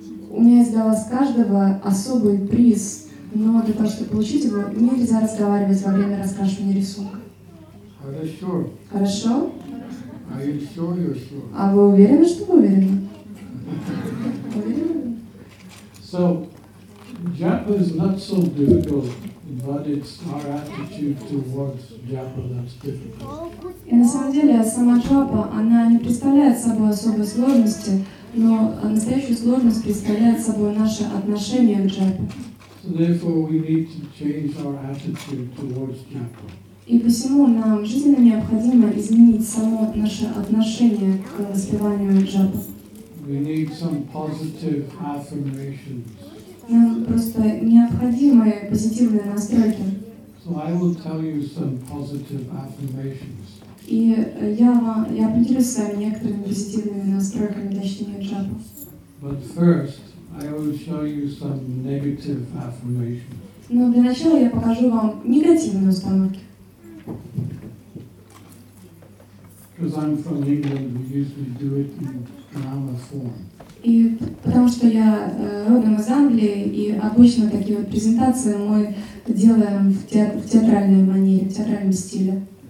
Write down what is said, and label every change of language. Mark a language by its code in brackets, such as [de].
[ru] У меня есть для вас каждого особый приз, но для того, чтобы получить его, нельзя разговаривать во время раскрашивания рисунка. Хорошо? [en] Are you sure? [ru] А вы уверены, что вы уверены? [en] So, japa is not so difficult, but it's our attitude towards japa that's difficult. [ru] И на самом деле сама джапа, она не представляет собой особой сложности, но настоящую сложность представляет собой наше отношение к джапе. [en] So therefore we need to change our attitude towards japa. [ru] И посему нам жизненно необходимо изменить само наше отношение к воспеванию джапы. [en] We need some positive affirmations. [ru] Нам просто необходимы позитивные настройки. [en] So I will tell you some positive affirmations. [ru] И я поделюсь с вами некоторыми позитивными настройками для чтения джапы. [en] But first, I will show you some negative affirmations. [ru] Но для начала я покажу вам негативные установки. [en] Because I'm from England, we usually do it in drama form. [ru] И потому что я родом из Англии, и обычно такие вот презентации мы делаем в театральной манере, в театральном стиле.